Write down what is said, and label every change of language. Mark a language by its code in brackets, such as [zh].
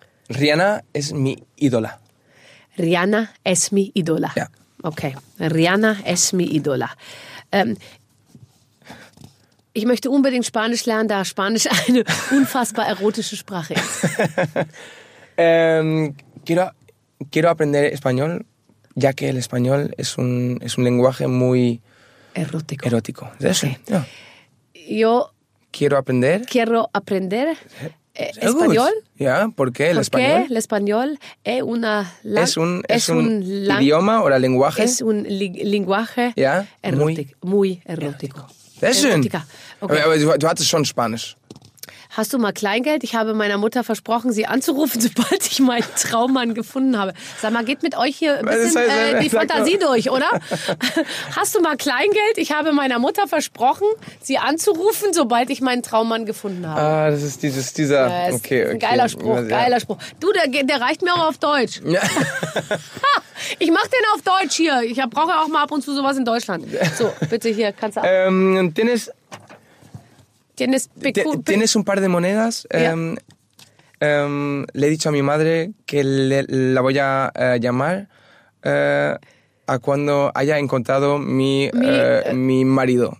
[es] Rihanna es mi ídola. Rihanna es mi ídola. [de] Ja. [es] Okay. Rihanna es mi ídola. [de] Ich möchte unbedingt Spanisch lernen, da Spanisch eine unfassbar erotische Sprache ist. [es] Quiero aprender español, ya que el español es un lenguaje muy erótico. Erótico. Okay. Yeah. Yo quiero aprender español. Ya, yeah. ¿Por qué el español? Es una idioma o la lenguaje. Es un lenguaje [en] yeah. [es] muy erótico. [de] Sehr schön. Okay. Aber du hattest schon Spanisch. Hast du mal Kleingeld? Ich habe meiner Mutter versprochen, sie anzurufen, sobald ich meinen Traummann gefunden habe. Sag mal, geht mit euch hier ein bisschen die Fantasie durch, oder? Hast du mal Kleingeld? Ich habe meiner Mutter versprochen, sie anzurufen, sobald ich meinen Traummann gefunden habe. Ah, das ist dieser... Ja, ist okay, ein geiler Spruch, geiler Spruch. Du, der reicht mir auch auf Deutsch. Ja. Ich mach den auf Deutsch hier. Ich brauche auch mal ab und zu sowas in Deutschland. So, bitte hier, kannst du ab. Dennis... [es] ¿Tienes un par de monedas? [en] Yeah. [es] Le he dicho a mi madre que la voy a llamar a cuando haya encontrado mi marido.